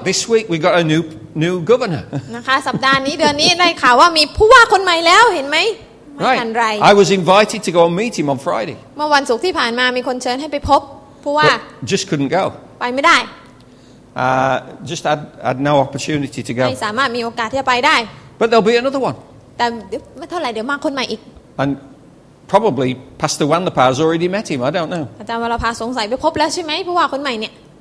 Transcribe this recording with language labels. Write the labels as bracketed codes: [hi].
[en] This week we got a new governor. [th] นะคะสัปดาห์นี้เดือนนี้ได้ข่าวว่ามีผู้ว่าคนใหม่แล้วเห็นไหมไม่ทันไร [en] I was invited to go and meet him on Friday. [th] เมื่อวันศุกร์ที่ผ่านมามีคนเชิญให้ไปพบผู้ว่า [en] Just couldn't go. [th] ไปไม่ได้ [en] just had no opportunity to go. [th] ไม่สามารถมีโอกาสที่จะไปได้ [en] But there'll be another one. [th] แต่เดี๋ยวไม่เท่าไหร่เดี๋ยวมาคนใหม่อีก [en] And probably Pastor Wanlapa has already met him. I don't know. [th] อาจารย์วรพาสงสัยไปพบแล้วใช่ไหมผู้ว่าคนใหม่เนี่ย